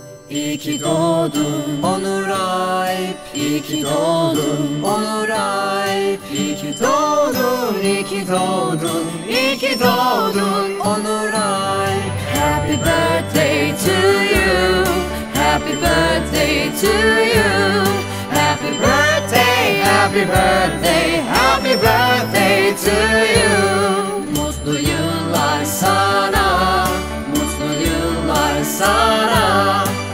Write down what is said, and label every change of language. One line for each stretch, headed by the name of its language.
Turkish: İyi ki doğdun Onur Alp, İyi ki doğdun Onur Alp, İyi ki doğdun, İyi ki doğdun, İyi ki doğdun Onur Alp.
English: Happy birthday to you, happy birthday to you, happy birthday, happy birthday, happy birthday to you.
Turkish: Mutlu yıllar sana, mutlu yıllar sana.